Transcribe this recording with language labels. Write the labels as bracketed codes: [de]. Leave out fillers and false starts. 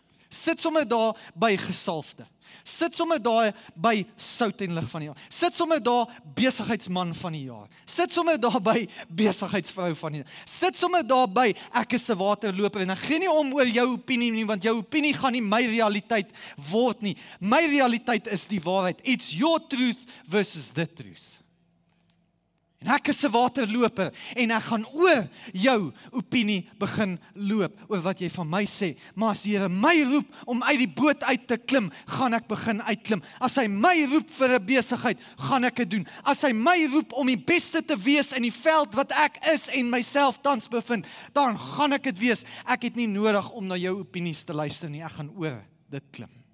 [af] Sit sommer daar by gesalfde. Sit sommer daar by sout en lig van die jaar. Sit sommer daar besigheidsman van die jaar. Sit sommer daar by besigheidsvrou van die jaar. Sit sommer daar by ek is 'n waterloper. En ek gee nie om oor jou opinie nie, want jou opinie gaan nie my realiteit word nie. My realiteit is die waarheid. [en] It's your truth versus the truth. [af] En ek is 'n waterloper en ek gaan oor jou opinie begin loop oor wat jy van my sê. Maar as die Here my roep om uit die boot uit te klim, gaan ek begin uitklim. As hy my roep vir 'n besigheid, gaan ek dit doen. As hy my roep om die beste te wees in die veld wat ek is en myself tans bevind, dan gaan ek dit wees. Ek het nie nodig om na jou opinies te luister nie. Ek gaan oor dit klim.